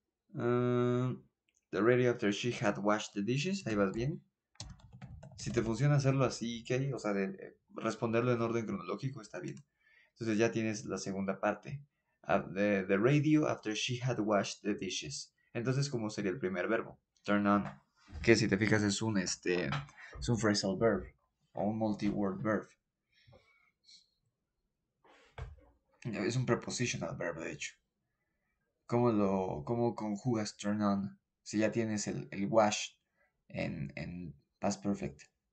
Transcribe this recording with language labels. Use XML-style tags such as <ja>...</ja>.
<en>The radio after she had washed the dishes.</en> <es>Ahí vas bien. Si te funciona hacerlo así, ok. O sea, de responderlo en orden cronológico, está bien. Entonces ya tienes la segunda parte.</es> <en>The radio after she had washed the dishes.</en> <es>Entonces, ¿cómo sería el primer verbo? Turn on. Que si te fijas es un, es un phrasal verb. O un multi-word verb. Es un prepositional verb, de hecho. ¿Cómo conjugas turn on si ya tienes el wash en past perfect?</es>